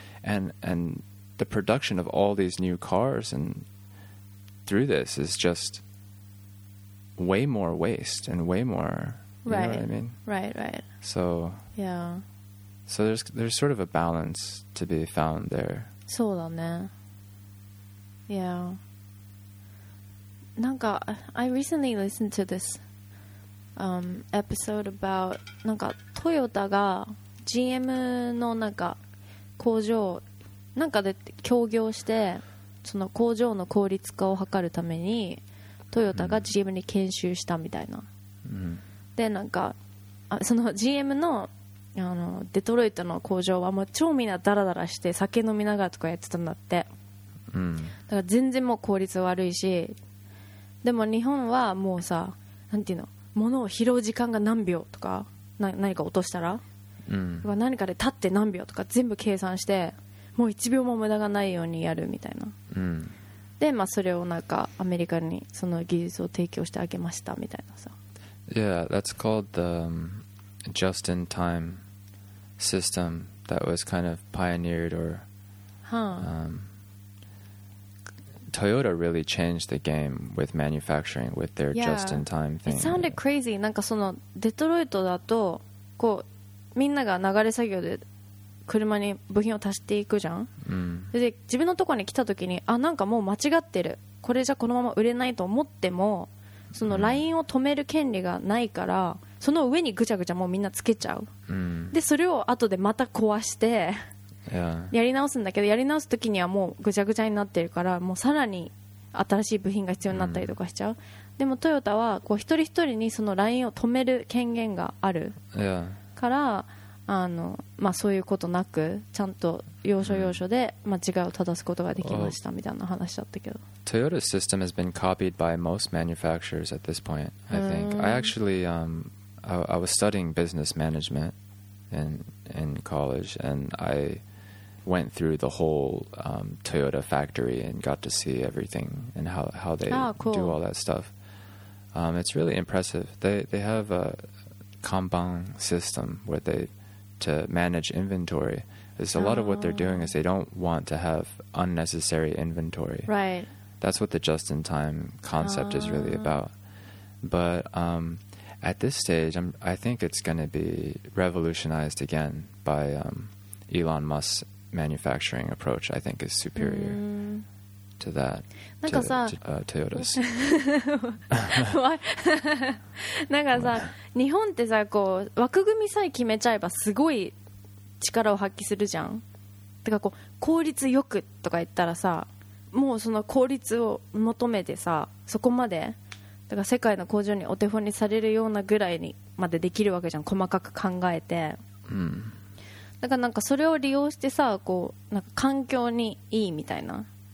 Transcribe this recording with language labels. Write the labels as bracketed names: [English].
[English] And the production of all these new cars and through this is just way more waste and way more, right. You know what I mean? Right. So yeah. So there's sort of a balance to be found there. [Japanese] そうだね。 [English] Yeah. [Japanese] なんか [English] I recently listened to thisepisode about [Japanese] なんかトヨタが GM のなんか工場なんかで協業して、その工場の効率化を図るためにトヨタが GM に研修したみたいな、でなんかその GM の、 あのデトロイトの工場はもう超みんなダラダラして酒飲みながらとかやってたんだって、だから全然もう効率悪いし、でも日本はもうさ、なんていうの、物を拾う時間が何秒とか、何か落としたら、何かで立って何秒とか全部計算して、もう1秒も無駄がないようにやるみたいな、で、まあ、それをなんかアメリカにその技術を提供してあげましたみたいなさ。 [English] Yeah, that's called the just-in-time system that was kind of pioneered or Toyota really changed the game with manufacturing with their just-in-time thing. It sounded crazy. [Japanese] なんかそのデトロイトだとこうみんなが流れ作業で車に部品を足していくじゃん。で自分のところに来た時に、あ、なんかもう間違ってる、これじゃこのまま売れないと思っても、そのラインを止める権利がないから、その上にぐちゃぐちゃもうみんなつけちゃう、でそれを後でまた壊して [English] Yeah. [Japanese] やり直すんだけど、やり直すときにはもうぐちゃぐちゃになってるから、もうさらに新しい部品が必要になったりとかしちゃう、でもトヨタはこう一人一人にそのラインを止める権限があるから、 [English] yeah. [Japanese] あのまあ、そういうことなくちゃんと要所要所で間違いを正すことができましたみたいな話だったけど、 [English] Toyota's system has been copied by most manufacturers at this point, I think. I actually I was studying business management in college, and I went through the whole Toyota factory and got to see everything and how they do all that stuff. It's really impressive. They have a Kanban system where to manage inventory. It's a lot of what they're doing is they don't want to have unnecessary inventory. Right. That's what the just-in-time concept is really about. But... at this stage, I think it's going to be revolutionized again by Elon Musk's manufacturing approach, I think, is superior to that, Toyota's. Why? [Japanese] なんかさ、日本ってさ、こう、枠組みさえ決めちゃえばすごい力を発揮するじゃん。てかこう、効率よくとか言ったらさ、もうその効率を求めてさ、そこまで。だから世界の工場にお手本にされるようなぐらいにまでできるわけじゃん、細かく考えて、だからなんかそれを利用してさ、こうなんか環境にいいみたいな、